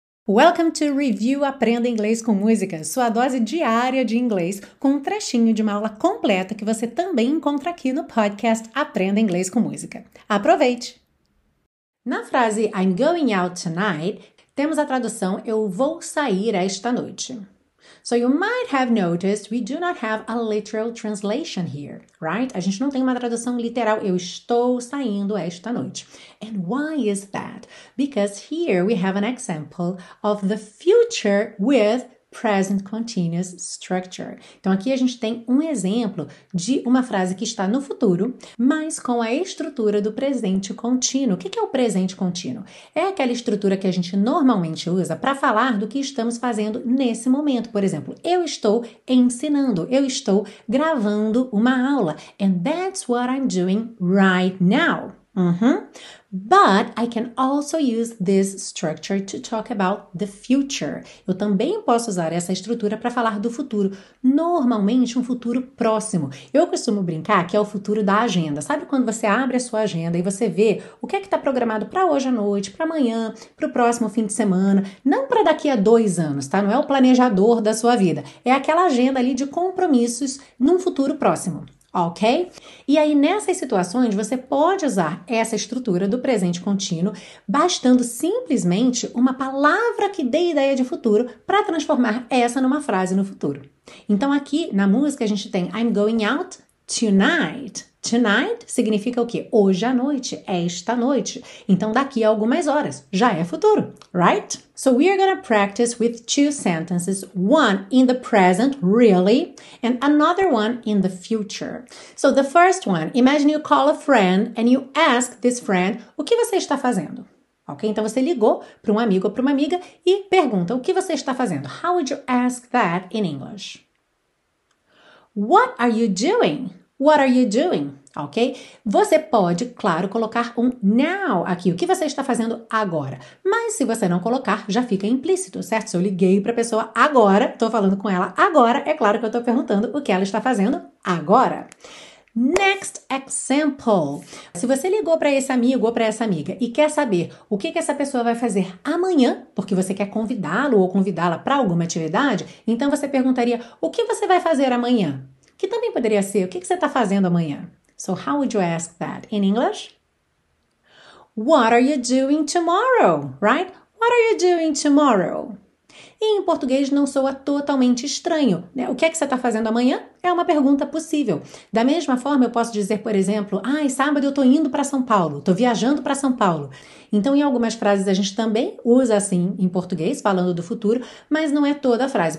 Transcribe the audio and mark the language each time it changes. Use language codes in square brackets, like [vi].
[en] Welcome to [pt] Review Aprenda Inglês com Música, sua dose diária de inglês, com um trechinho de uma aula completa que você também encontra aqui no podcast Aprenda Inglês com Música. Aproveite! Na frase [en] I'm going out tonight, [pt] temos a tradução eu vou sair esta noite. [en] So you might have noticed we do not have a literal translation here, right? [pt] A gente não tem uma tradução literal, eu estou saindo esta noite. [en] And why is that? Because here we have an example of the future with present continuous structure. [pt] Então aqui a gente tem um exemplo de uma frase que está no futuro, mas com a estrutura do presente contínuo. O que é o presente contínuo? É aquela estrutura que a gente normalmente usa para falar do que estamos fazendo nesse momento. Por exemplo, eu estou ensinando, eu estou gravando uma aula. [en] And that's what I'm doing right now. But I can also use this structure to talk about the future. [pt] Eu também posso usar essa estrutura para falar do futuro, normalmente um futuro próximo. Eu costumo brincar que é o futuro da agenda. Sabe quando você abre a sua agenda e você vê o que é que está programado para hoje à noite, para amanhã, para o próximo fim de semana, não para daqui a 2 anos, tá? Não é o planejador da sua vida. É aquela agenda ali de compromissos num futuro próximo. Ok? E aí, nessas situações, você pode usar essa estrutura do presente contínuo bastando simplesmente uma palavra que dê ideia de futuro para transformar essa numa frase no futuro. Então, aqui na música, a gente tem [en] I'm going out tonight. [pt] Tonight significa o quê? Hoje à noite, esta noite. Então, daqui a algumas horas, já é futuro, right? [en] So, we are going to practice with 2 sentences. One in the present, really, and another one in the future. So, the first one, imagine you call a friend and you ask this friend, [pt] o que você está fazendo? [en] Ok? [pt] Então, você ligou para um amigo ou para uma amiga e pergunta, o que você está fazendo? [en] How would you ask that in English? What are you doing? What are you doing? Ok? [pt] Você pode, claro, colocar um now aqui. O que você está fazendo agora? Mas se você não colocar, já fica implícito, certo? Se eu liguei para a pessoa agora, estou falando com ela agora, é claro que eu estou perguntando o que ela está fazendo agora. [en] Next example. [pt] Se você ligou para esse amigo ou para essa amiga e quer saber o que, que essa pessoa vai fazer amanhã, porque você quer convidá-lo ou convidá-la para alguma atividade, então você perguntaria, o que você vai fazer amanhã? Que também poderia ser, o que você está fazendo amanhã? [en] So, how would you ask that in English? What are you doing tomorrow, right? What are you doing tomorrow? [pt] E em português não soa totalmente estranho, né? O que é que você está fazendo amanhã? É uma pergunta possível. Da mesma forma, eu posso dizer, por exemplo, ai, sábado eu estou indo para São Paulo, estou viajando para São Paulo. Então, em algumas frases a gente também usa assim em português, falando do futuro, mas não é toda a frase.